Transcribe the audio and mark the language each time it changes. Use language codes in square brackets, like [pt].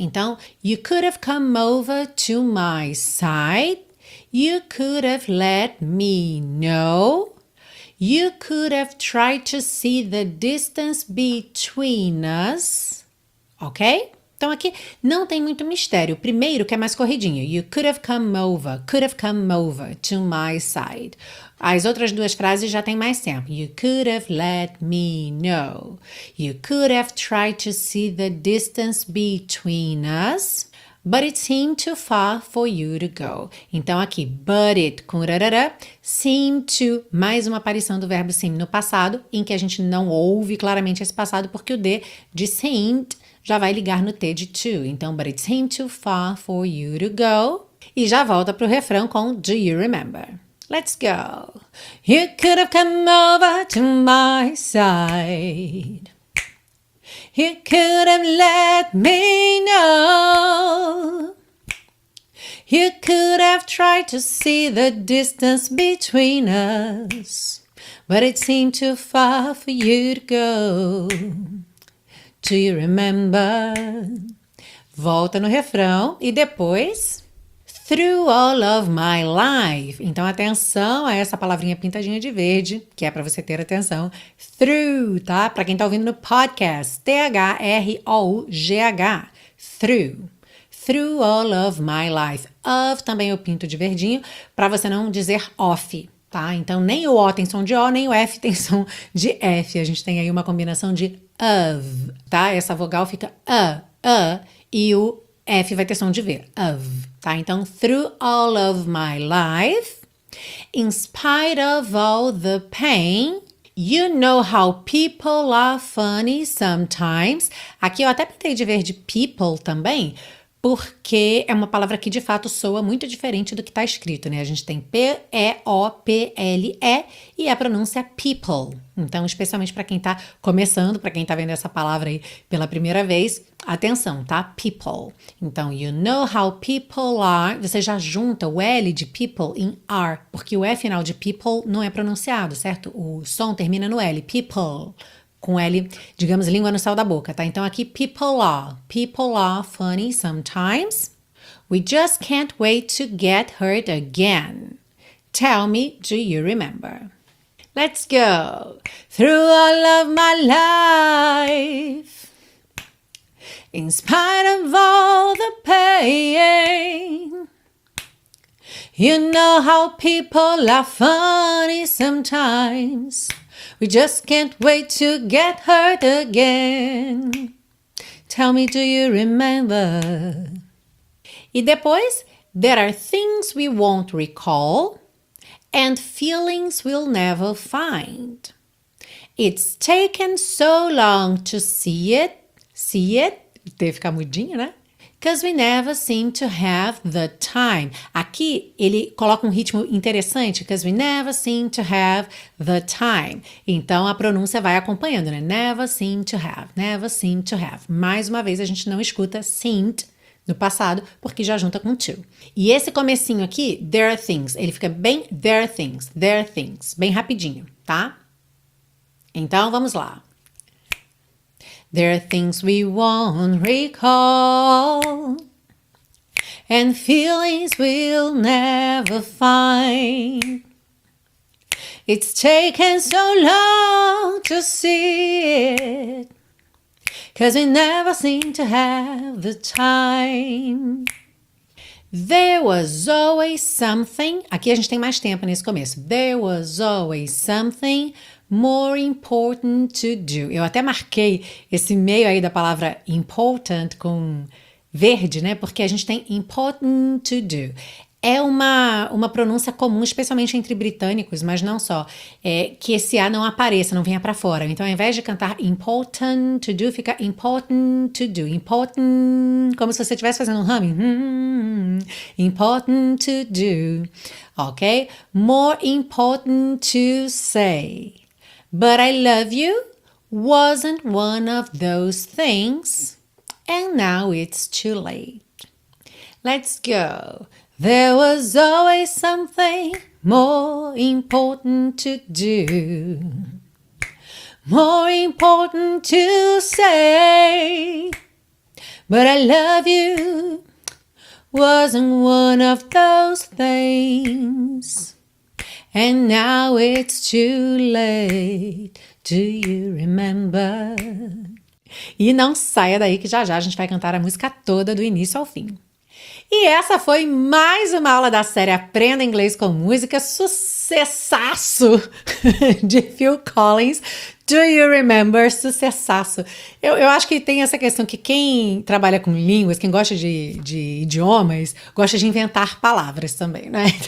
[pt] Então, [en] you could have come over to my side. You could have let me know. You could have tried to see the distance between us. Ok? [pt] Então, aqui não tem muito mistério. Primeiro, que é mais corridinho. [en] You could have come over to my side. [pt] As outras duas frases já têm mais tempo. [en] You could have let me know. You could have tried to see the distance between us, but it seemed too far for you to go. [pt] Então, aqui, [en] but it [pt] com rarará, [en] seem to, [pt] mais uma aparição do verbo seem no passado, em que a gente não ouve claramente esse passado, porque o D de seemed já vai ligar no T de to. Então, [en] but it seemed too far for you to go. [pt] E já volta para o refrão com [en] Do you remember? Let's go. You could have come over to my side. You could have let me know. You could have tried to see the distance between us. But it seemed too far for you to go. Do you remember? [pt] Volta no refrão e depois. [en] Through all of my life. [pt] Então, atenção a essa palavrinha pintadinha de verde, que é para você ter atenção. Through, tá? Para quem tá ouvindo no podcast. THROUGH. Through. [en] Through all of my life. [pt] Of também eu pinto de verdinho, para você não dizer off. Tá? Então, nem o O tem som de O, nem o F tem som de F. A gente tem aí uma combinação de of, tá? Essa vogal fica e o F vai ter som de V, of, tá? Então, [en] through all of my life, in spite of all the pain, you know how people are funny sometimes. [pt] Aqui eu até pintei de verde people também, porque é uma palavra que de fato soa muito diferente do que está escrito, né? A gente tem POPLE e a pronúncia people. Então, especialmente para quem está começando, para quem está vendo essa palavra aí pela primeira vez, atenção, tá? [en] People. Então, you know how people are. [pt] Você já junta o L de people em are, porque o E final de people não é pronunciado, certo? O som termina no L, people. Com L, digamos, língua no céu da boca, tá? Então aqui, [en] people are funny sometimes. We just can't wait to get hurt again. Tell me, do you remember? Let's go. Through all of my life. In spite of all the pain. You know how people are funny sometimes. We just can't wait to get hurt again. Tell me, do you remember? [pt] E depois, [en] there are things we won't recall and feelings we'll never find. It's taken so long to see it, [pt] teve que ficar mudinho, né? [en] Because we never seem to have the time. [pt] Aqui ele coloca um ritmo interessante. [en] Because we never seem to have the time. [pt] Então a pronúncia vai acompanhando, né? [en] Never seem to have, never seem to have. [pt] Mais uma vez a gente não escuta seemed no passado, porque já junta com to. E esse comecinho aqui, [en] there are things, [pt] ele fica bem there are things, bem rapidinho, tá? Então vamos lá. [en] There are things we won't recall and feelings we'll never find. It's taken so long to see it, 'cause we never seem to have the time. There was always something. [pt] Aqui a gente tem mais tempo nesse começo. [en] There was always something more important to do. [pt] Eu até marquei esse meio aí da palavra important com verde, né? Porque a gente tem [en] important to do. [pt] É uma pronúncia comum, especialmente entre britânicos, mas não só, que esse A não apareça, não venha para fora. Então, ao invés de cantar [en] important to do, [pt] fica important to do. Important, como se você estivesse fazendo um humming. [en] Important to do, ok? More important to say. But I love you wasn't one of those things, and now it's too late. Let's go. There was always something more important to do, more important to say, but I love you wasn't one of those things, and now it's too late. Do you remember? [pt] E não saia daí que já já a gente vai cantar a música toda do início ao fim. E essa foi mais uma aula da série Aprenda Inglês com Música, sucessaço de Phil Collins. [en] Do you remember? [pt] Sucessaço. Eu acho que tem essa questão que quem trabalha com línguas, quem gosta de idiomas, gosta de inventar palavras também, né?